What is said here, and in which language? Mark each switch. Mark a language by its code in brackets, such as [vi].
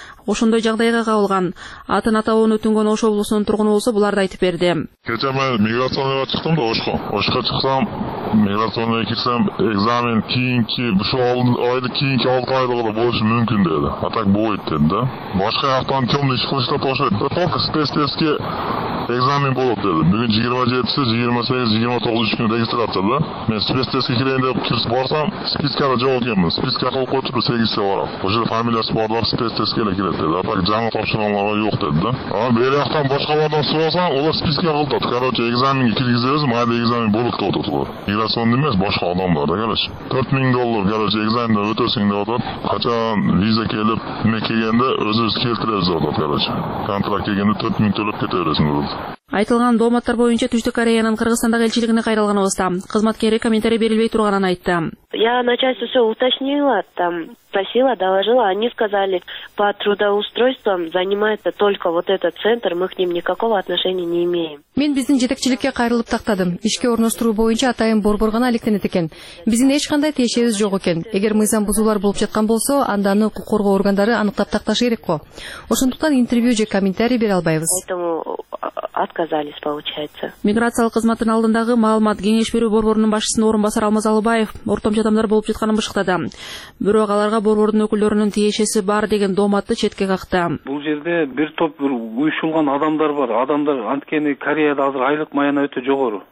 [ky] Ошондой жагдайга кабылган атын атабын өтүнгөн Ош облусунун тургуну болсо буларды айтып берди. Кече мен миграцияга чыктым да Ошко. Ошко чыксам, миграцияга кирсем экзамен кийинки, ушул айды кийинки 6 айлыгы да болушу мүмкүн деди. А так болбойт деди да. Башка жактан темный иш кылышта болушат. Только спецтестке экзамен болот деди. Бүгүн 27-си, 28, 29 күнү регистрация да. Мен спецтестке кирейин деп кирип барсам, спискага жок экенмин. Спискке кол койтуп 8-се барам. Ошол фамилиясы барлар спецтестке эле келет деди. А так жаңы тапшырмаларга жок деди да. Анан бери жактан башкалардан сурасаң, алар спискке кылтат. Короче, экзаменге киргизебиз, майда экзамен болот деп отурат алар. Миграциондо эмес, башка адамдарда короче. 4000 доллар короче экзамендан өтөсүң деп атат. Качан виза келип, эме келгенде өзүбүз келтиребиз деп атат короче. Контракт келгенде 4000 төлөп кете бересиң деп атат. Айтылган дооматтар боюнча Түштүк Кореянын Кыргызстандагы элчилигине кайрылганыбызда кызматкери комментарий берилбей турганын айтты. [ru] Я начальству все уточнила, там просила, доложила, они сказали, по трудоустройствам занимается только вот этот центр, мы к ним никакого отношения не имеем. [ky] Мен биздин жетекчиликке кайрылып тактадым. Ишке орноштуруу боюнча атайын борборгон алектенет экен. Биздин эч кандай тиешебиз жок экен. Эгер мыйзам бузуулар болуп жаткан болсо, анда аны укук коргоо органдары аныктап такташы керек го. Ошондуктан интервью же комментарий бере албайбыз. [ru] Поэтому отказались, получается. [ky] Миграциялык кызматтын алдындагы маалымат кеңеш берүү борборунун башчысынын орун басары Алмаз Алыбаев ортомчу адамдар болуп жатканын бышыктады. Бирок аларга борбордун өкүлдөрүнүн тиешеси бар деген дооматты четке какты. Бул жерде бир топ уюшулган адамдар бар. Адамдар анткени Кореяда азыр айлык маяна өтө жогору.